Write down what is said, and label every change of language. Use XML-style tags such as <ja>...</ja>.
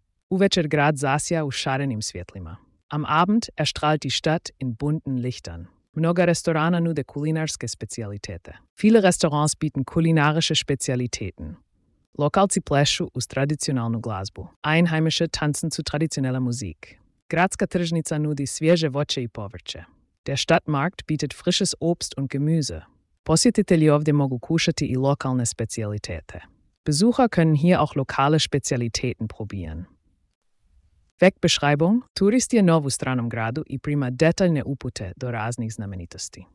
<hr>Uvečer grad zasja u šarenim svjetlima.</hr> <de>Am Abend erstrahlt die Stadt in bunten Lichtern.</de> <hr>Mnoga restorana nude kulinarske specialitete.</hr> <de>Viele Restaurants bieten kulinarische Spezialitäten.</de> <hr>Lokalci plešu uz tradicionalnu glazbu.</hr> <de>Einheimische tanzen zu traditioneller Musik.</de> <hr>Gradska tržnica nudi svježe voće i povrće.</hr> <de>Der Stadtmarkt bietet frisches Obst und Gemüse.</de> <hr>Posjetitelji ovdje mogu kušati i lokalne specialitete.</hr> <de>Besucher können hier auch lokale specialitäten probieren. Wegbeschreibung.</de> <hr>Turist je nov u stranom gradu i prima detaljne upute do raznih znamenitosti.</hr>